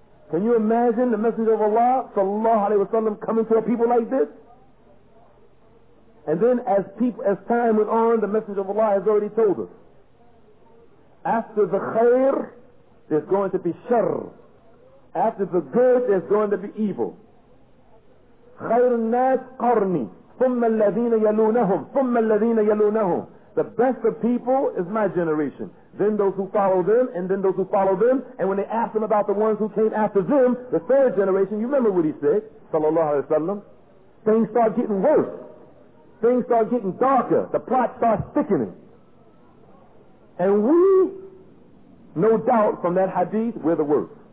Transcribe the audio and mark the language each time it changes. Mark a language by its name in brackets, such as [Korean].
[English] Can you imagine the Messenger of Allah, sallallahu alayhi wa sallam, coming to a people like this? And then as time went on, the Messenger of Allah has already told us, after the khair, there's going to be shar. After the good, there's going to be evil. [Arabic] خير الناس قرني ثم الذين يلونهم ثم الذين يلونهم. [English] The best of people is my generation. Then those who follow them, and then those who follow them. And when they ask him about the ones who came after them, the third generation, you remember what he said, sallallahu alayhi wa sallam. Things start getting worse. Things start getting darker. The plot starts thickening. And we, no doubt from that hadith, we're the worst.